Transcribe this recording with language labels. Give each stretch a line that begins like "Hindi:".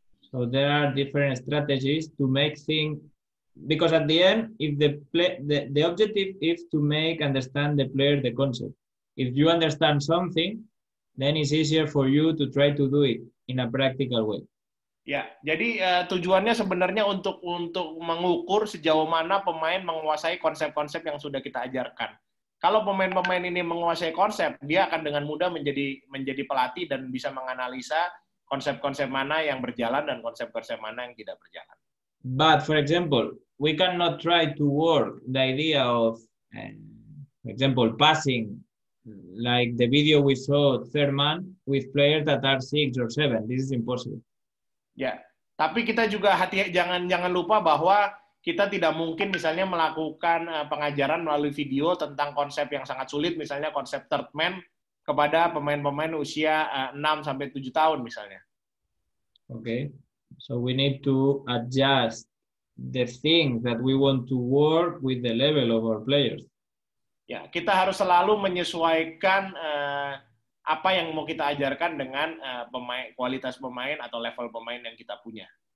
English: So there are different strategies to make things. Because at the end, if the play, the objective is to make understand the player the concept. If you understand something, then it's easier for you to try to do it in a practical way.
Indonesian: Ya, jadi tujuannya sebenarnya untuk mengukur sejauh mana pemain menguasai konsep-konsep yang sudah kita ajarkan. Kalau pemain-pemain ini menguasai konsep, dia akan dengan mudah menjadi pelatih dan bisa menganalisa konsep-konsep mana yang berjalan dan konsep-konsep mana yang tidak berjalan.
English: But for example, we cannot try to work the idea of, for example, passing, like the video we saw third man with players that are 6 or 7. This is impossible.
Indonesian: Ya, tapi kita juga jangan lupa bahwa kita tidak mungkin misalnya melakukan pengajaran melalui video tentang konsep yang sangat sulit, misalnya konsep third man kepada pemain-pemain usia 6-7 tahun misalnya.
English: Okay. So we need to adjust the thing that we want to work with the level of our players.
Indonesian: Ya, kita harus selalu menyesuaikan apa yang mau kita ajarkan dengan pemain, kualitas pemain atau level pemain yang kita punya.